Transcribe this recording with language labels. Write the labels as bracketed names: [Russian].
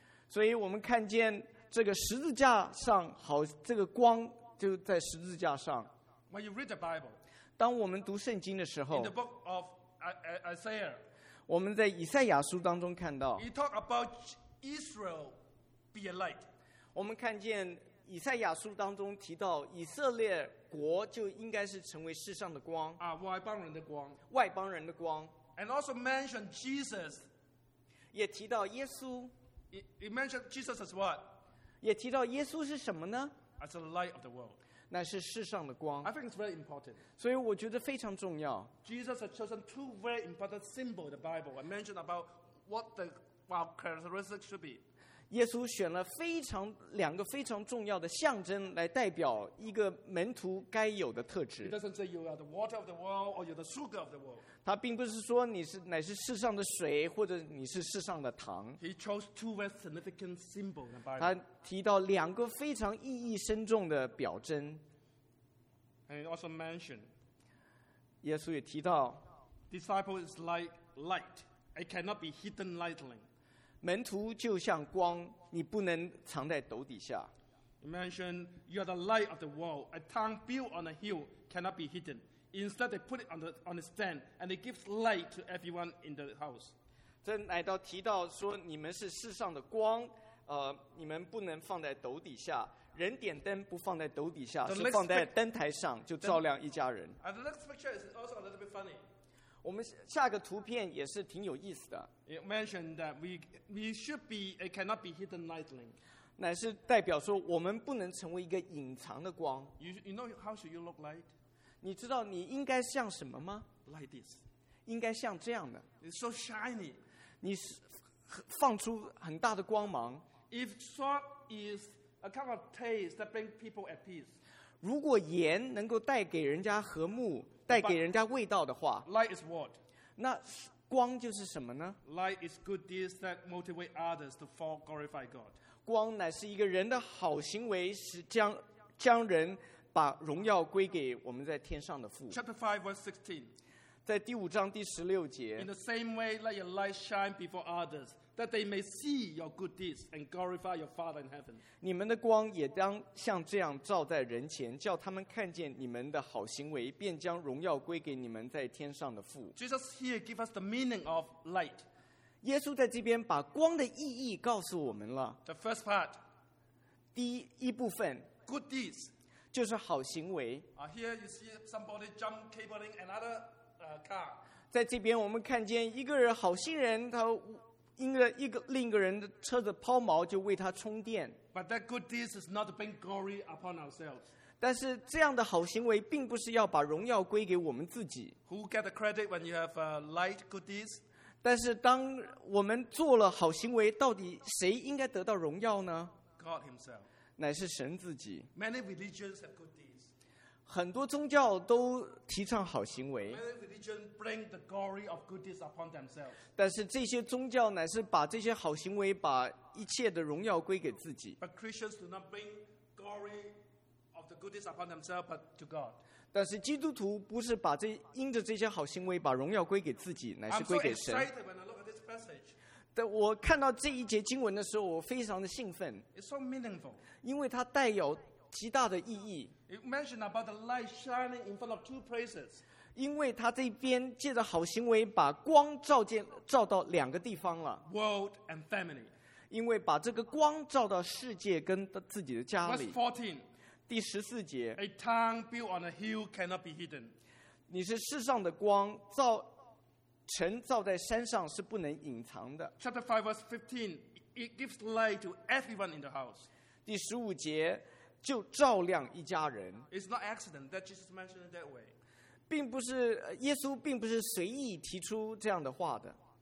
[Chinese] 所以我们看见这个十字架上，好，这个光就在十字架上。 [English] When you read the Bible, [Chinese] 当我们读圣经的时候 [English] in the book of Isaiah, [Chinese] 我们在以赛亚书当中看到 [English] he talked about Israel be a light. [Chinese] 我们看见以赛亚书当中提到以色列国就应该是成为世上的光外邦人的光外邦人的光 [English] and also mentioned Jesus [Chinese] 也提到耶稣 [English] he mentioned Jesus as what? [Chinese] 也提到耶稣是什么呢 [English] as the light of the world. [Chinese] 乃是世上的光 [English] I think it's very important. [Chinese] 所以我觉得非常重要 [English] Jesus has chosen two very important symbols in the Bible I mentioned about what the our characteristics should be [Chinese] 耶稣选了两个非常重要的象征来代表一个门徒该有的特质 [English] He doesn't say you are the water of the world or you're the sugar of the world [Chinese] 他并不是说你是乃是世上的水或者你是世上的糖 [English] He chose two very significant symbols in the Bible [Chinese] 他提到两个非常意义深重的表征 [English] And he also mentioned [Chinese] 耶稣也提到 [English] Disciple is like light It cannot be hidden lightly [Chinese] 门徒就像光，你不能藏在斗底下。 [English] You mentioned you are the light of the world. A town built on a hill cannot be hidden. Instead, they put it on the stand, and it gives light to everyone in the house. [Chinese] 这来到提到说，你们是世上的光，你们不能放在斗底下。人点灯不放在斗底下，是放在灯台上，就照亮一家人。 [English] And the next picture is also a little bit funny. [Chinese] 我们下个图片也是挺有意思的。 [English] It mentioned that we should be it cannot be hidden lightly. [Chinese] 乃是代表说我们不能成为一个隐藏的光。 [English] You know how should you look like? [Chinese] 你知道你应该像什么吗 [English] ？Like this. [Chinese] 应该像这样的。 [English] It's so shiny. [Chinese] 你放出很大的光芒。 [English] If salt is a kind of taste that brings people at peace. [Chinese] 如果盐能够带给人家和睦，带给人家味道的话。 [English] But light is what? [Chinese] 那光就是什么呢？ [English] Light is good deeds that motivate others to fall glorify God. [Chinese] 光乃是一个人的好行为，使将人把荣耀归给我们在天上的父。 [English] Chapter 5 verse 16. [Chinese] 在第五章第十六节。 [English] In the same way, let your light shine before others, that they may see your good deeds and glorify your Father in heaven. [Chinese] 你们的光也当像这样照在人前，叫他们看见你们的好行为，便将荣耀归给你们在天上的父。 [English] Jesus here gives us the meaning of light. [Chinese] 耶稣在这边把光的意义告诉我们了。 [English] The first part. [Chinese] 第一部分。 [English] Good deeds. [Chinese] 就是好行为。 [English] Here you see somebody jump cabling another car. [Chinese] 在这边我们看见一个人好心人，他因为另一个人的车子抛锚就为他充电。 [English] But that good deeds is not to bring glory upon ourselves. [Chinese] 但是这样的好行为并不是要把荣耀归给我们自己。 [English] Who get the credit when you have light good deeds? [Chinese] 但是当我们做了好行为，到底谁应该得到荣耀呢？ [English] God himself. [Chinese] 乃是神自己。 [English] Many religions have good deeds. [Chinese] 很多宗教都提倡好行为。 [English] Bring the glory of good deeds upon themselves. [Chinese] 但是这些宗教乃是把这些好行为，把一切的荣耀归给自己。 [English] But Christians do not bring glory of the good deeds upon themselves, but to God. [Chinese] 但是基督徒不是把这因着这些好行为把荣耀归给自己，乃是归给神。 [English] I'm so excited when I look at this passage. [Chinese] 但我看到这一节经文的时候，我非常的兴奋。 [English] It's so meaningful. [Chinese] 因为它带有极大的意义。 [English] It mentioned about the light shining in front of two places. [Chinese] 因为他这边借着好行为把光 照到两个地方了。 [English] World and family. [Chinese] 因为把这个光照到世界跟自己的家里。 [English] Verse 14. [Chinese] 第十四节。 [English] A town built on a hill cannot be hidden. [Chinese] 你是世上的光，照城照在山上是不能隐藏的。 [English] Chapter 5 verse 15. It gives light to everyone in the house. [Chinese] 第十五节就照亮一家人。 [English] It's not accident that Jesus mentioned it that way. [Chinese] 并不是耶稣并不是随意提出这样的话的。